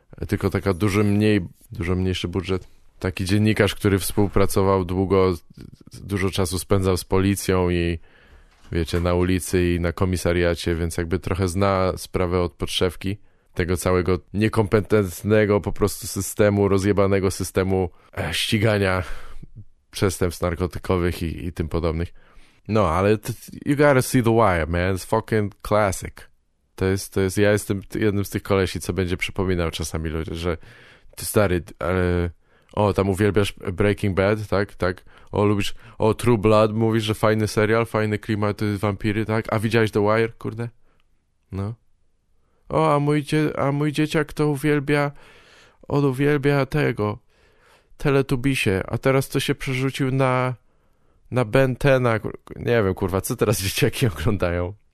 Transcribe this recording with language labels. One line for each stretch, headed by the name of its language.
Polish: Tylko taka dużo mniejszy budżet. Taki dziennikarz, który współpracował długo, dużo czasu spędzał z policją i wiecie, na ulicy i na komisariacie, więc jakby trochę zna sprawę od podszewki tego całego niekompetentnego po prostu systemu, rozjebanego systemu ścigania przestępstw narkotykowych i tym podobnych. No, ale
English: you gotta see The Wire, man. It's fucking classic.
Polish: To jest, ja jestem jednym z tych kolesi, co będzie przypominał czasami ludzie, że ty stary, tam uwielbiasz Breaking Bad, tak? Tak. O, lubisz, True Blood, mówisz, że fajny serial, fajny klimat, wampiry, tak? A widziałeś The Wire, kurde? No. O, a mój dzieciak to uwielbia, on uwielbia tego, Teletubisie, a teraz to się przerzucił na Ben Tena, nie wiem, kurwa, co teraz dzieciaki oglądają?